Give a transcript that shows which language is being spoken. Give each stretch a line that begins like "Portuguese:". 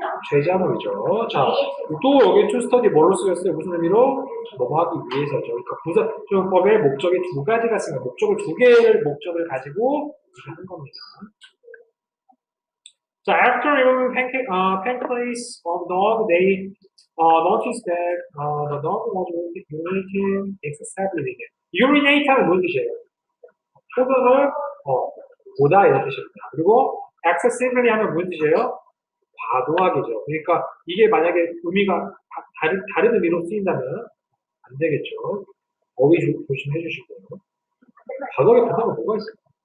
Korean: 제자물이죠. 자, 또 여기 투 스터디 뭘로 쓰였어요? 무슨 의미로? 뭐 하기 위해서죠. 그러니까 부사적용법의 목적이 두 가지가 있습니다. 목적을 두 개의 목적을 가지고 하는 겁니다.
English: 자, so after removing pancreas of dog, they noticed that the dog was urinating excessively.
Korean: Urinate 하면 뭔 뜻이에요? 소변을 보다 이런 뜻입니다. 그리고 excessively 하면 뭔 뜻이에요? 과도하게죠. 그러니까 이게 만약에 의미가 다른 의미로 쓰인다면 안 되겠죠. 어휘 조심해 주시고요. 과도하게 변하면 뭐가 있어요?